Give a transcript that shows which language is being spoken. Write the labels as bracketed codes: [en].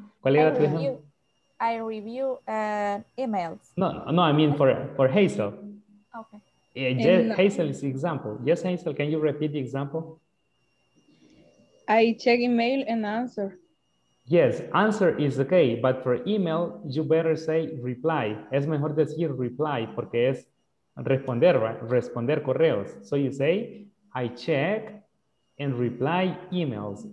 [es] ¿cuál era tu ejemplo? [en] I review emails. No, no, I mean for Hazel. Okay. Hazel is example. Yes, Hazel, can you repeat the example? I check email and answer. Yes, answer is okay, but for email, you better say reply. [es] Es mejor decir reply porque es responder, right? Responder correos. [en] So you say, I check and reply emails.